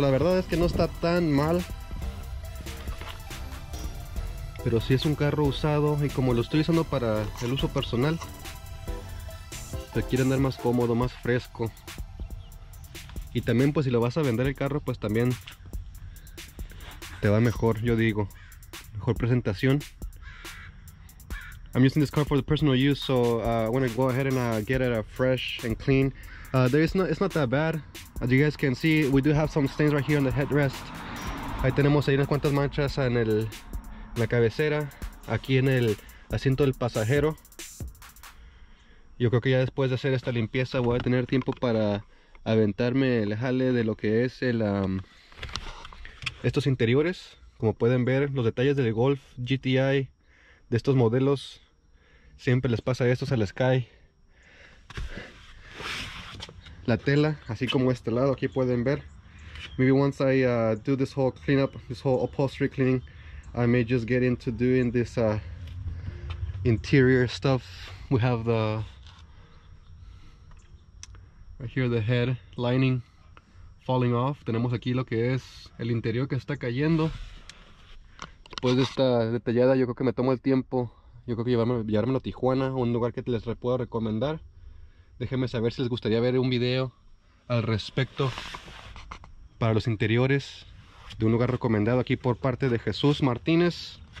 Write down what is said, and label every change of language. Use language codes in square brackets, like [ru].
[es] La verdad es que no está tan mal, pero sí es un carro usado, y como lo estoy usando para el uso personal, te quiere andar más cómodo, más fresco. Y también, pues si lo vas a vender el carro, pues también te va mejor, yo digo, mejor presentación. [en] I'm using this car for the personal use, so I want to go ahead and get it fresh and clean. It's not that bad. As you guys can see, we do have some stains right here on the headrest. [es] Ahí tenemos ahí unas cuantas manchas en la cabecera, aquí en el asiento del pasajero. Yo creo que ya después de hacer esta limpieza voy a tener tiempo para aventarme el jale de lo que es el estos interiores. Como pueden ver, los detalles del Golf GTI de estos modelos, siempre les pasa esto al Sky. La tela, así como este lado, aquí pueden ver. [en] Maybe once I do this whole cleanup, this whole upholstery cleaning, I may just get into doing this interior stuff. We have the right here, the head lining falling off. [es] Tenemos aquí lo que es el interior que está cayendo. Después de esta detallada, yo creo que me tomo el tiempo. Yo creo que llevarme a Tijuana, un lugar que les puedo recomendar. Déjenme saber si les gustaría ver un video al respecto para los interiores de un lugar recomendado aquí por parte de Jesús Martínez.